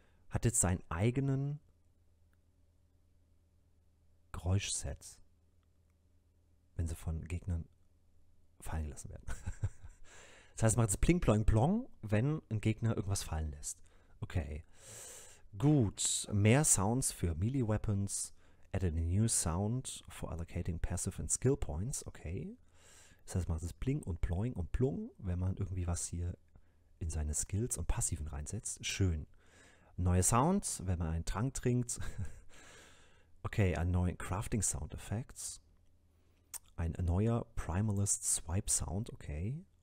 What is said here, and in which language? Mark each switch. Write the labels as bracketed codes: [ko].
[de] Hat jetzt seinen eigenen Geräuschset, wenn sie von Gegnern fallen gelassen werden. Das heißt, man macht es pling, plong, plong, wenn ein Gegner irgendwas fallen lässt. Okay. Gut. Mehr Sounds für Melee Weapons. [en] Added a new sound for allocating passive and skill points. Okay. [de] Das heißt, man macht es pling und ploing und plung, wenn man irgendwie was hier in seine Skills und Passiven reinsetzt. Schön. Neue Sounds, wenn man einen Trank trinkt. Okay, ein neuer Crafting Sound Effects. Ein neuer Primalist Swipe Sound, okay.